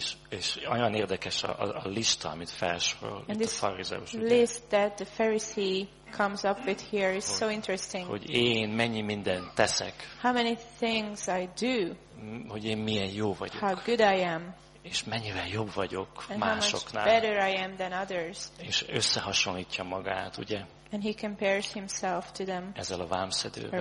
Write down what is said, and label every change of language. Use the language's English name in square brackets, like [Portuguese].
[Hungarian] És olyan érdekes a lista, amit felsorol itt a farizeus. [English] And this list that the Pharisee comes up with here is so interesting. [Hungarian] Hogy én mennyi mindent teszek. [English] How many things I do. [Hungarian] Hogy én milyen jó vagyok. [English] How good I am. [Hungarian] És mennyivel jobb vagyok [English] and [Hungarian] másoknál. [English] How much better I am than others. [Hungarian] És összehasonlítja magát, ugye? [English] And he compares himself to them. [Hungarian] Ezzel a vámszedővel.